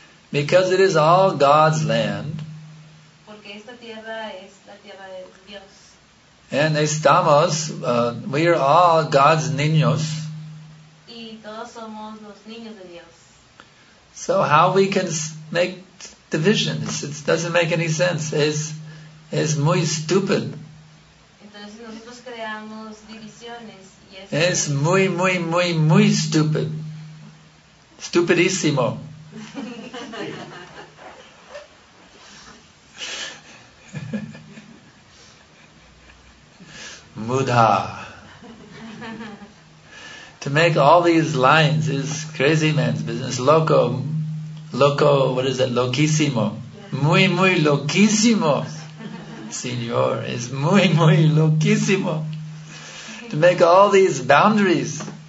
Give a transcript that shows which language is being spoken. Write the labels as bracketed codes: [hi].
[en] Because it is all God's land. [es] Porque esta tierra es la tierra de Dios. [en] And estamos, we are all God's niños. [es] Y todos somos los niños de Dios. [en] So how we can make divisions? It doesn't make any sense. It's muy stupid. [es] Entonces nosotros creamos divisiones y es muy, muy, muy, muy stupid. Stupidísimo. [sa] Mudha. [en] To make all these lines is crazy man's business. [es] Loco. Loco, [en] what is it? [es] Loquísimo. Muy, muy loquísimo. Señor, es muy, muy loquísimo. [en] To make all these boundaries.